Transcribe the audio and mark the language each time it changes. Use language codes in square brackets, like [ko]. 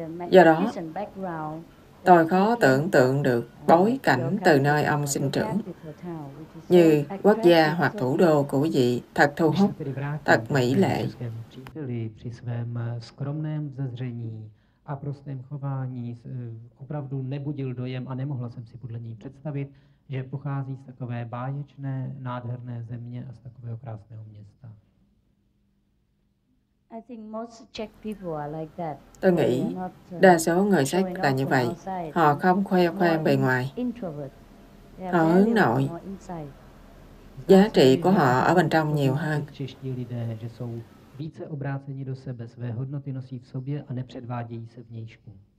[vi] Do đó, tôi khó tưởng tượng được bối cảnh từ nơi ông sinh trưởng, như quốc gia hoặc thủ đô của quý vị thật thu hút, thật mỹ lệ. [cs] Při svém skromném zezření a prostém chování opravdu nebudil dojem a nemohla jsem si podle něj představit, že pochází z takové báječné, nádherné země a z takového krásného města. [en] I think most Czech people are like that. [vi] Tôi nghĩ đa số người Czech là như vậy. Họ không khoe khoang bề ngoài. Họ hướng nội. Giá trị của họ ở bên trong nhiều hơn. [cs] Čeští lidé, že jsou více obráceni do sebe, své hodnoty nosí v sobě a nepředvádějí se vnějšku.